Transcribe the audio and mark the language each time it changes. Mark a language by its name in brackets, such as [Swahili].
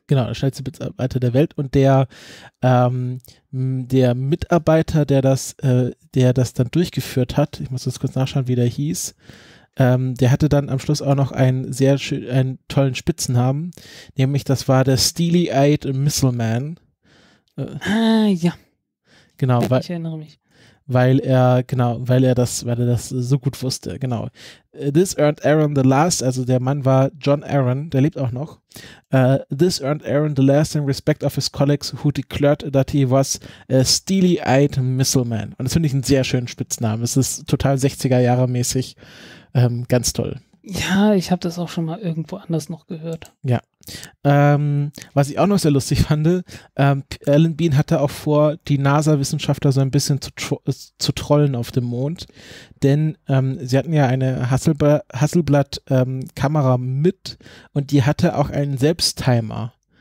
[German] Genau, der schnellste Blitzableiter der Welt. Und der, der Mitarbeiter, der das dann durchgeführt hat, ich muss das kurz nachschauen, wie der hieß, der hatte dann am Schluss auch noch einen sehr einen tollen Spitznamen, nämlich das war der Steely-Eyed Missile Man. Ja. Genau, ja, ich erinnere mich. Weil er das so gut wusste, genau. [English] This earned Aaron the last, [German] also der Mann war John Aaron, der lebt auch noch. [English] This earned Aaron the lasting respect of his colleagues who declared that he was a steely-eyed missile man. [German] Und das finde ich einen sehr schönen Spitznamen. Es ist total 60er-Jahre mäßig, ganz toll. Ja, ich habe das auch schon mal irgendwo anders noch gehört. Ja. Was ich auch noch sehr lustig fand, Alan Bean hatte auch vor, die NASA-Wissenschaftler so ein bisschen zu trollen auf dem Mond, denn sie hatten ja eine Hasselblad-Kamera mit und die hatte auch einen Selbsttimer.